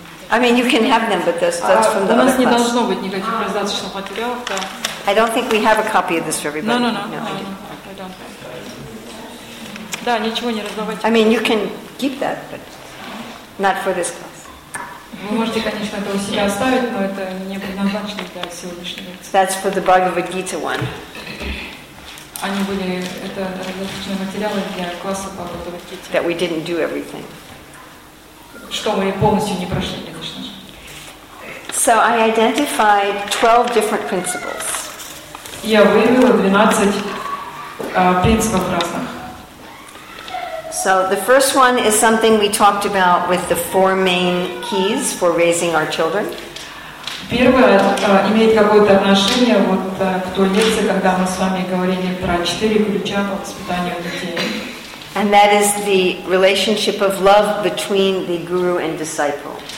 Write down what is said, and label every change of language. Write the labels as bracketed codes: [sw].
[en] I mean, you can have them, but that's from the other class. I don't think we have a copy of this for everybody. No, I don't. [ru] Да, ничего не раздавать. [en] I mean, you can keep that, but not for this class. [ru] Вы можете, конечно, это у себя оставить, но это не предназначено для сегодняшней лекции. [en] That's for the Bhagavad Gita one. [ru] Они были, это различные материалы для класса по Bhagavad Gita. [en] That we didn't do everything. [ru] Что мы полностью не прошли, конечно же. [en] So I identified 12 different principles. [ru] Я выявила 12 принципов разных. [en] So the first one is something we talked about with the four main keys for raising our children. [ru] Первое имеет какое-то отношение вот к той лекции, когда мы с вами говорили про четыре ключа по воспитанию детей. [en] And that is the relationship of love between the guru and disciple.